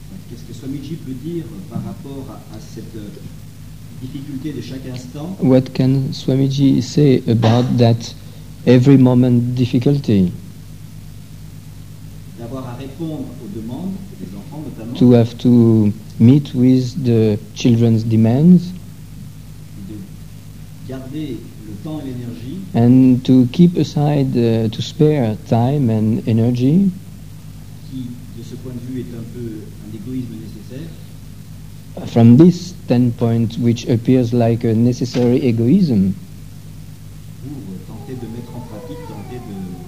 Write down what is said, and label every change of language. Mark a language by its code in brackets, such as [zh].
[fr] Qu'est-ce que Swamiji peut dire par rapport à cette difficulté de chaque instant? [en] What can Swamiji say about that every moment difficulty? [fr] D'avoir à répondre aux demandes des enfants notamment. [en] To have to meet with the children's demands. [fr] De garder le temps et l'énergie. [en] And to keep aside, to spare time and energy, [fr] qui, de ce point de vue, est un peu un égoïsme nécessaire. [en] From this standpoint, which appears like a necessary egoism, [fr] pour tenter de mettre en pratique, tenter de